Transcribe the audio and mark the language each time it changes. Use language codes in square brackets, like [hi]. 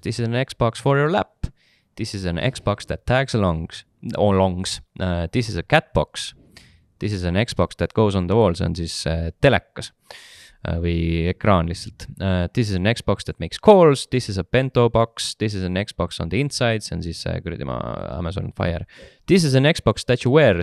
[en] This is an Xbox for your lap. This is an Xbox that tags alongs. This is a cat box. This is an Xbox that goes on the wall. [et] See on siis telekas või ekraan lihtsalt. [en] This is an Xbox that makes calls. This is a bento box. This is an Xbox on the inside. [et] See on siis kuridima Amazon Fire. [en] This is an Xbox that you wear.